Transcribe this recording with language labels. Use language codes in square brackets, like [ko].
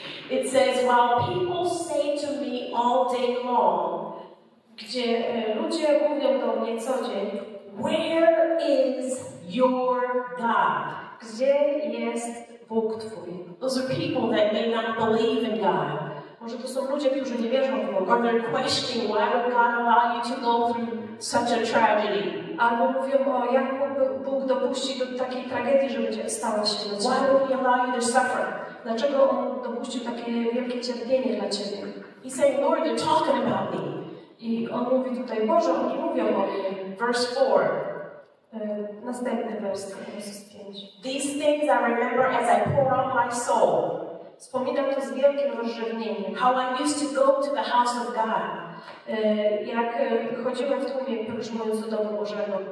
[en] It says, while people say to me all day long, [pl] gdzie ludzie mówią do mnie co dzień, [en] where is your God? [pl] Gdzie jest Bóg twój? [en] Those are people that may not believe in God. [pl] Może to są ludzie, którzy nie wierzą w Boga. [en] Or they're questioning, why would God allow you to go through such a tragedy? [pl] Albo mówią, o jak mógłby Bóg dopuścić do takiej tragedii, że będzie stała się dla ciebie? [en] Why would he allow you to suffer? [pl] Dlaczego on dopuścił takie wielkie cierpienie dla ciebie? [en] He said, Lord, you're talking about me. [pl] I on mówi tutaj, Boże, oni mówią o mnie. [en] Verse 4. [pl] Następny wers, wers 5. [en] These things I remember as I pour out my soul. [pl] Wspominam to z wielkim rozrzewnieniem. [en] How I used to go to the house of God. [pl] Jak chodziłem w tłumie, próżnując do domu Bożego.